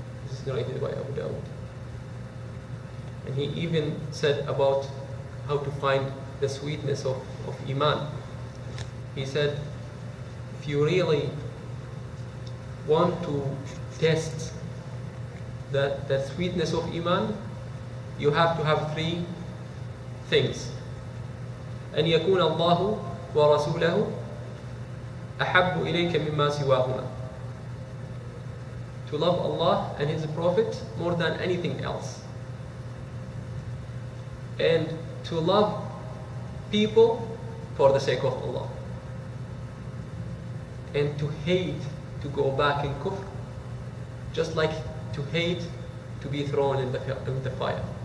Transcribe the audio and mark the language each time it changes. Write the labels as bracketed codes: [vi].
[en] This is narrated by Abu Dawud. And he even said about how to find the sweetness of iman. He said, if you really want to test the sweetness of iman, you have to have three things. [ar] أن يكون الله ورسوله أحب إليك مما سواهما. [en] To love Allah and His Prophet more than anything else. And to love people for the sake of Allah. And to hate, to go back in kufr, just like to hate to be thrown in the fire.